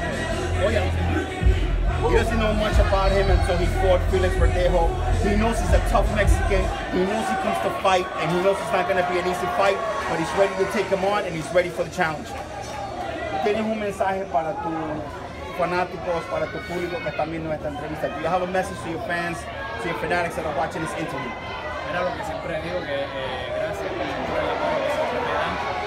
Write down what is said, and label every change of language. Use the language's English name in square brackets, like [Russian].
[English] He doesn't know much about him until he fought Felix Verdejo. He knows he's a tough Mexican, he knows he comes to fight, and he knows it's not going to be an easy fight, but he's ready to take him on, and he's ready for the challenge. [Spanish] ¿Tienes un mensaje para tus fanáticos, para tu público que están viendo esta entrevista? [English] Do you have a message to your fans, to your fanatics that are watching this interview? [Spanish] Era lo que siempre digo, que gracias por el apoyo.